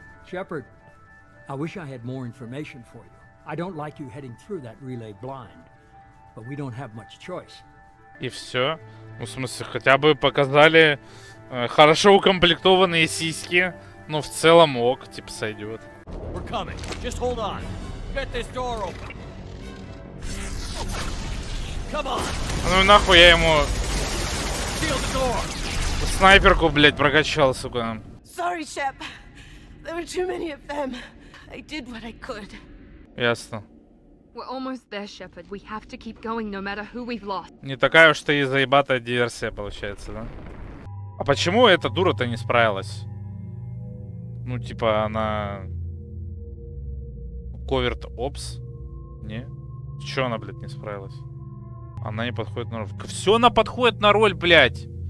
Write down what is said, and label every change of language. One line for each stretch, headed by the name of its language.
English: Shepard, I wish I had more information for you. I don't like you heading through that relay blind, but we don't have much choice.
Russian: И все. Ну, в смысле, хотя бы показали хорошо укомплектованные сиськи, но в целом ок, типа, сойдет.
English: We're coming. Just hold on. Get this door open. Come on.
Russian: Ну и нахуй я ему.
English: Steal the door.
Russian: Снайперку, блять, прокачал, сука.
English: Sorry, Shep. There were too many of them. I did what I could.
Russian: Ясно.
English: We're almost there, Shepard. We have to keep going, no matter who we've lost.
Russian: Не такая уж ты и заебатая диверсия получается, да? А почему эта дура-то не справилась? Ну, типа, она... Covert Ops? Не? Чё она, блядь, не справилась? Она не подходит на роль. Всё она подходит на роль, блядь!